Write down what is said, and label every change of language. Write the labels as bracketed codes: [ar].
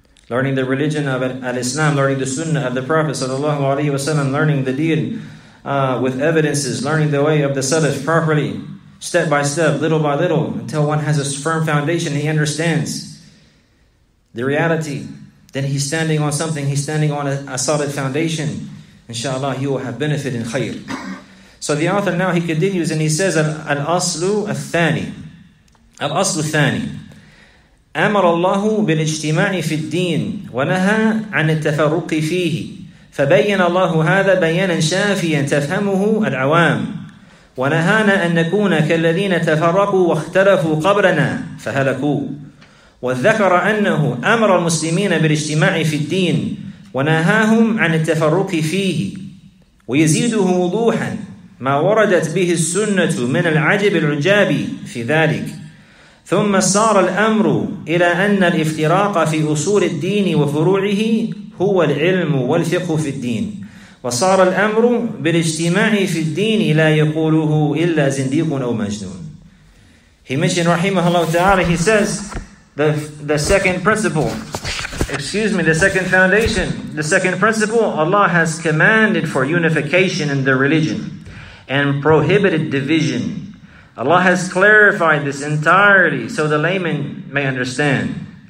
[en] Learning the religion of Al-Islam, learning the Sunnah of the Prophet sallallahu alaihi wasallam, learning the deen with evidences, learning the way of the Salaf properly, step by step, little by little, until one has a firm foundation, he understands the reality. Then he's standing on something, he's standing on a solid foundation. Inshallah, he will have benefit in khayr. So the author now, he continues and he says, [ar] Al-Aslu Al-Thani. Al-Aslu Al-Thani. أمر الله بالاجتماع في الدين ونهى عن التفرق فيه فبين الله هذا بيانا شافيا تفهمه العوام ونهانا أن نكون كالذين تفرقوا واختلفوا قبلنا فهلكوا وذكر أنه أمر المسلمين بالاجتماع في الدين ونهاهم عن التفرق فيه ويزيده وضوحا ما وردت به السنة من العجب العجاب في ذلك ثم صار الأمر إلى أن الافتراق في أصول الدين وفروعه هو العلم والفقه في الدين وصار الأمر بالاجتماع في الدين لا يقوله إلا زنديق أو مجنون. [en] He mentioned, [ar] رحمه الله تعالى, [en] he says, the second principle, excuse me, the second foundation, the second principle, Allah has commanded for unification in the religion and prohibited division. Allah has clarified this entirely so the layman may understand.